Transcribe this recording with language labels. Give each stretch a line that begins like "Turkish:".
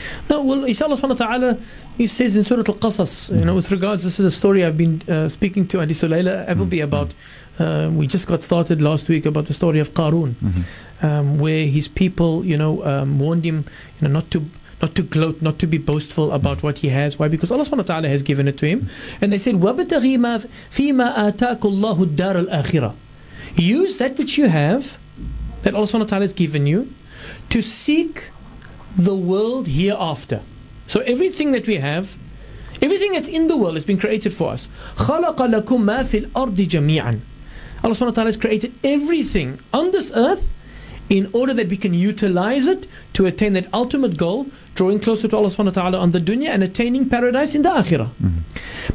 English: No, well, inshallah subhanahu wa ta'ala, he says in Surah Al-Qasas, you know, with regards, this is a story I've been speaking to Adi Sulayla Appleby about. We just got started last week about the story of Qarun, where his people, you know, warned him, you know, not to gloat, not to be boastful about what he has. Why? Because Allah subhanahu wa ta'ala has given it to him. And they said,
Arabic: وَبْتَغِي مَا فِي مَا آتَاكُ اللَّهُ الدَّارَ الْآخِرَةِ.
English: Use that which you have, that Allah subhanahu wa ta'ala has given you, to seek the world hereafter. So everything that we have, everything that's in the world has been created for us.
Arabic: خَلَقَ لَكُمْ مَا فِي الْأَرْضِ جَمِيعًا.
English: Allah subhanahu wa ta'ala has created everything on this earth in order that we can utilize it to attain that ultimate goal, drawing closer to Allah subhanahu wa ta'ala on the dunya and attaining paradise in the akhirah. Mm-hmm.